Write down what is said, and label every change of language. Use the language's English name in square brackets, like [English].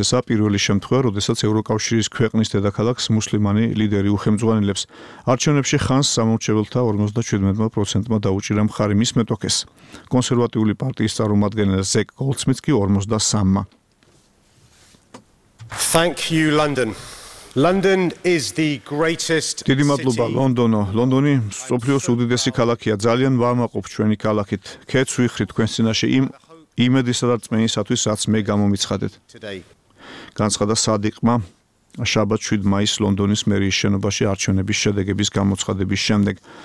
[Georgian] ესა პირველი შემთხვევა, როდესაც ევროკავშირის ქვეყნის დედაქალაქს მუსლიმანი ლიდერი უხელმძღვანელებს. არჩევნებში ხანს სამორჩეველთა 57%-მა დაუჭირა მხარი მის მეტოქეს. კონსერვატიული პარტიის წარმომადგენელ ზეკ გოლდსმიტს კი 53%-მა. [English] Thank you, London. London is the greatest city. [Georgian] დიდი მადლობა, ლონდონო. ლონდონი მსოფლიოს უდიდესი ქალაქია. ძალიან ვამაყობ ჩვენი ქალაქით. ქეცვიხრით თქვენ წინაშე იმ იმედისა და წმენისათვის, რაც მე გამომიცხადეთ. განცხადა სადიკმა შაბათ 7 მაისს ლონდონის მერიის შენობაში არჩევნების შედეგების გამოცხადების შემდეგ.